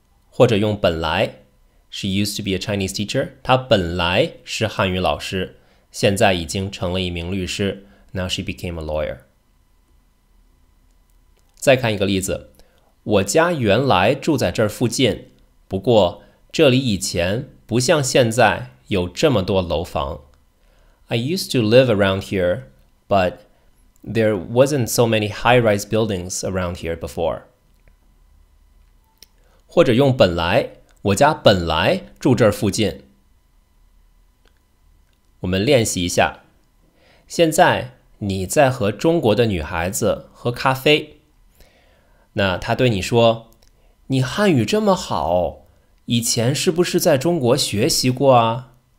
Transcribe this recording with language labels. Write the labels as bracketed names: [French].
[Chinese] 或者用本来 , [English] she used to be a Chinese teacher, [Chinese] 她本来是汉语老师现在已经成了一名律师 , [English] now she became a lawyer. [Chinese] 再看一个例子，我家原来住在这儿附近，不过这里以前不像现在有这么多楼房。 [English] I used to live around here, but... There wasn't so many high-rise buildings around here before. [Chinese] 或者用本来，我家本来住这儿附近。我们练习一下。现在你在和中国的女孩子喝咖啡。那她对你说，你汉语这么好，以前是不是在中国学习过啊？